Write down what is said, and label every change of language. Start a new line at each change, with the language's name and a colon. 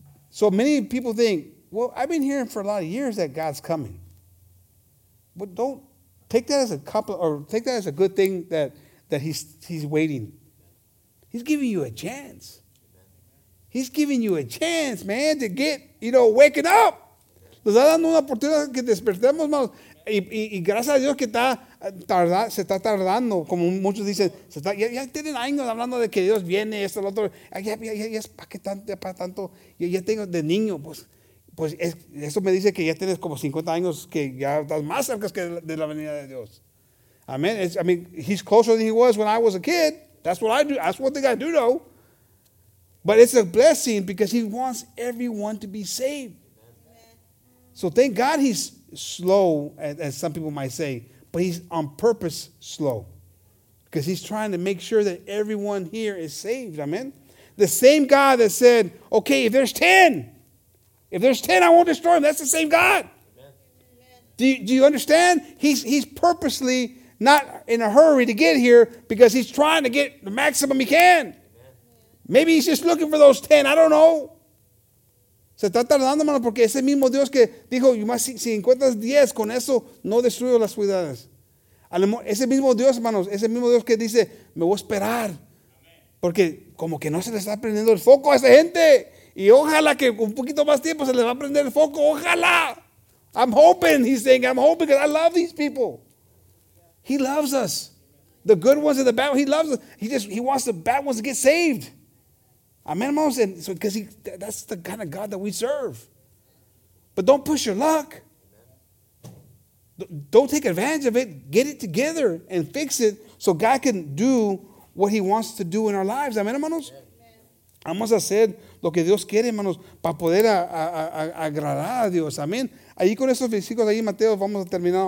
English: So many people think, well, I've been hearing for a lot of years that God's coming. But don't take that as a couple, or take that as a good thing that he's waiting. He's giving you a chance. He's giving you a chance, man, to get, you know, waking up.
Spanish: Nos está dando una oportunidad que despertemos, hermanos. Y gracias a Dios que se está tardando, como muchos dicen. Ya tienen años hablando de que Dios viene, esto, lo otro. Ya es para tanto. Ya tengo de niño, pues eso me dice que ya tienes como 50 años que ya estás más cerca que de la venida de Dios.
English: Amen. He's closer than he was when I was a kid. That's what I do. That's one thing I do know. But it's a blessing because he wants everyone to be saved. So thank God he's slow, as some people might say, but he's on purpose slow because he's trying to make sure that everyone here is saved. Amen. The same God that said, okay, if there's 10, I won't destroy them. That's the same God. Amen. Do you understand? He's purposely not in a hurry to get here because he's trying to get the maximum he can. Maybe he's just looking for those 10. I don't know.
Spanish: Se está tardando, mano, porque ese mismo Dios que dijo, si encuentras 10, con eso no destruyo las ciudades. Ese mismo Dios, hermanos, ese mismo Dios que dice, me voy a esperar. Porque como que no se le está prendiendo el foco a esa gente. Y ojalá que un poquito más tiempo se le va a prender el foco. Ojalá.
English: I'm hoping, he's saying, I'm hoping because I love these people. He loves us. The good ones and the bad ones, he loves us. He wants the bad ones to get saved. Amen, hermanos. Because that's the kind of God that we serve. But don't push your luck. Don't take advantage of it. Get it together and fix it so God can do what he wants to do in our lives. Amen, hermanos.
Spanish: Vamos a hacer lo que Dios quiere, hermanos, para poder agradar a Dios. Amen. Ahí con esos versículos ahí, Mateo, vamos a terminar.